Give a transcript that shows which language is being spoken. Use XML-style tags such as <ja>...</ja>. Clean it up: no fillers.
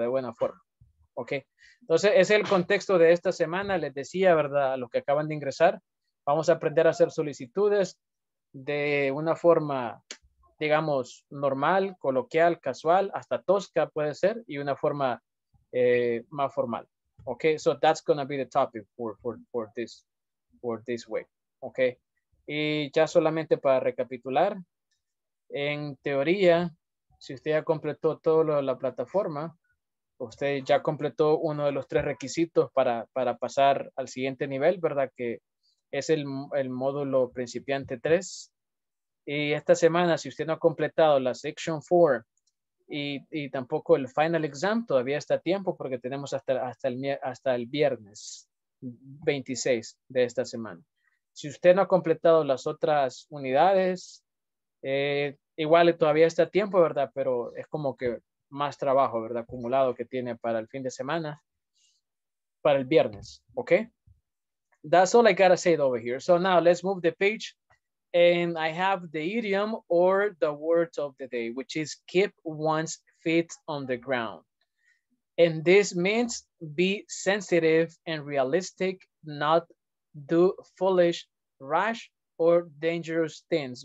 <es>De buena forma, ¿ok? Entonces, ese es el contexto de esta semana. Les decía, ¿verdad? A los que acaban de ingresar, vamos a aprender a hacer solicitudes de una forma, digamos, normal, coloquial, casual, hasta tosca puede ser, y una forma más formal.</es> <en>Okay, so that's gonna be the topic for this week.</en> <es>Okay, y ya solamente para recapitular, en teoría, si usted ya completó todo lo de la plataforma, usted ya completó uno de los tres requisitos para pasar al siguiente nivel, ¿verdad? Que es el módulo principiante 3. Y esta semana, si usted no ha completado la section 4, Y tampoco el final exam, todavía está a tiempo porque tenemos hasta el viernes 26 de esta semana. Si usted no ha completado las otras unidades, igual todavía está a tiempo, ¿verdad? Pero es como que más trabajo, ¿verdad? Acumulado que tiene para el fin de semana, para el viernes, ¿ok?</es> <en>That's all I gotta say over here. So now let's move the page. And I have the idiom or the words of the day, which is keep one's feet on the ground. And this means be sensitive and realistic, not do foolish, rash, or dangerous things.</en>